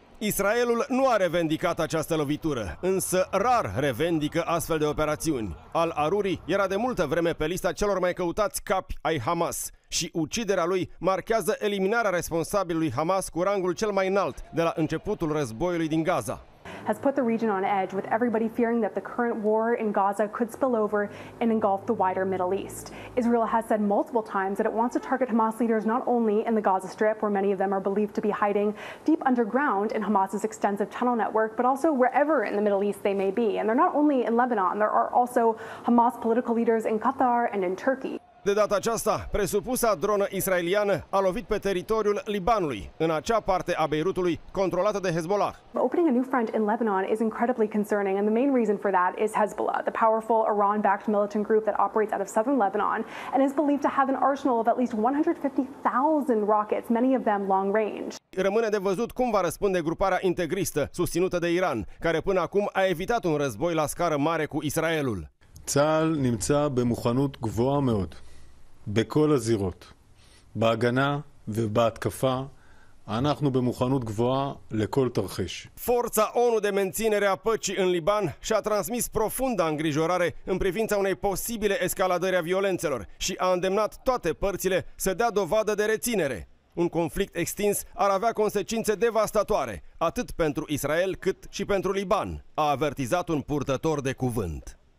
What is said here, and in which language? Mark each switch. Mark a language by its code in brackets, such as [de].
[ro] Israelul nu a revendicat această lovitură, însă rar revendică astfel de operațiuni. Al-Aruri era de multă vreme pe lista celor mai căutați capi ai Hamas și uciderea lui marchează eliminarea responsabilului Hamas cu rangul cel mai înalt de la începutul războiului din Gaza. [en] Has put the region on edge with everybody fearing that the current war in Gaza could spill over and engulf the wider Middle East. Israel has said multiple times that it wants to target Hamas leaders not only in the Gaza Strip, where many of them are believed to be hiding deep underground in Hamas's extensive tunnel network, but also wherever in the Middle East they may be. And they're not only in Lebanon, there are also Hamas political leaders in Qatar and in Turkey. [ro] De data aceasta, presupusa dronă israeliană a lovit pe teritoriul Libanului, în acea parte a Beirutului controlată de Hezbollah. [en] Opening a new front in Lebanon is incredibly concerning, and the main reason for that is Hezbollah, the powerful Iran-backed militant group that operates out of southern Lebanon and is believed to have an arsenal of at least 150,000 rockets, many of them long range. [ro] Rămâne de văzut cum va răspunde gruparea integristă susținută de Iran, care până acum a evitat un război la scară mare cu Israelul. [he] Tzal nimtza bemuchanut gvoa meod. בכל הזירות, בהגנה ובהתקפה, אנחנו במוכנות גבוהה לכל תרחיש. [ro] Forța ONU de menținere a păcii în Liban și-a transmis profundă îngrijorare în privința unei posibile escaladări a violențelor și a îndemnat toate părțile să dea dovadă de reținere. Un conflict extins ar avea consecințe devastatoare, atât pentru Israel cât și pentru Liban, a avertizat un purtător de cuvânt.